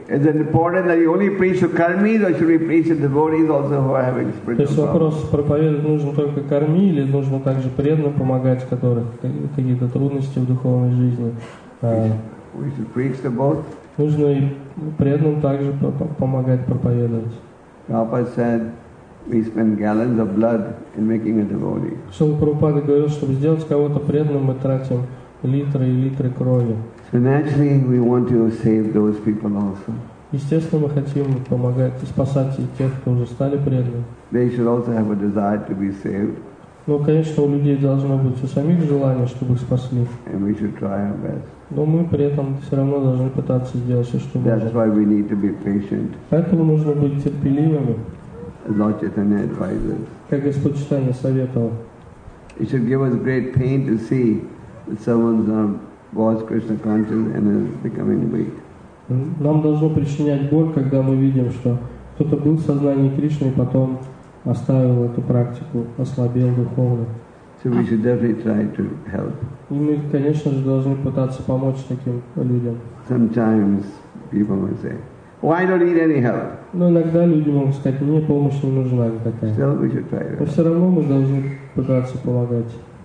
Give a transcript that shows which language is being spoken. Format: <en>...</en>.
<en>Is it important that you only preach to karmis, or should we preach to devotees also who are having spiritual problems?</en> <ru>То есть вопрос, проповедовать нужно только карми или нужно также преданным помогать, которых какие-то трудности в духовной жизни?</ru> <en>We should preach to both.</en> <ru>Нужно и преданным также помогать проповедовать.</ru> <en>Prabhupada said, we spend gallons of blood in making a devotee.</en> <ru>Шрила Прабхупада говорил, чтобы сделать кого-то преданным, мы тратим литры и литры крови.</ru> <en>So naturally, we want to save those people also.</en> <ru>Естественно, мы хотим помогать и спасать и тех, кто уже стали преданными.</ru> <en>They should also have a desire to be saved.</en> <ru>Но, конечно, у людей должно быть у самих желание, чтобы их спасли.</ru> <en>And we should try our best.</en> <ru>Но мы при этом все равно должны пытаться сделать все, что можно.</ru> <en>That's why we need to be patient.</en> <ru>Поэтому нужно быть терпеливыми.</ru> <en>Lord Chaitanya advises.</en> <ru>Как Господь Читания советовал.</ru> <en>It should give us great pain to see that someone's was Krishna consciousness and is becoming weak.</en> <ru>Нам должно причинять боль, когда мы видим, что кто-то был в сознании Кришны и потом оставил эту практику, ослабел духовно.</ru> <en>So we should definitely try to help.</en> <ru>И мы, конечно же, должны пытаться помочь таким людям.</ru> <en>Sometimes people will say, "Why don't need any help?"</en> <ru>Но иногда люди могут сказать, мне помощь не нужна никакая.</ru> <en>Still we should try.</en> <ru>Но все равно мы должны пытаться помогать.</ru>